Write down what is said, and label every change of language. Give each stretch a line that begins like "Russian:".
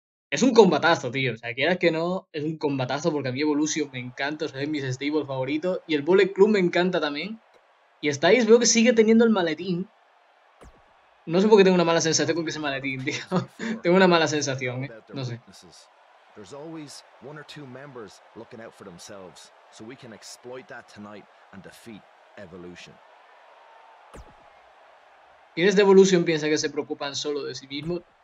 Spanish: Es un combatazo, tío, o sea, quieras que no, es un combatazo porque a mí Evolution me encanta, o sea, es mi stable favorito, y el Bullet Club me encanta también. Y Styles veo que sigue teniendo el maletín. No sé por qué tengo una mala sensación con ese maletín, tío. Tengo una mala sensación, No sé.
English: There's always one or two members looking out for themselves, so we can exploit that tonight and defeat Evolution.
Spanish: ¿Quiénes de Evolution piensa que se preocupan solo de sí mismos?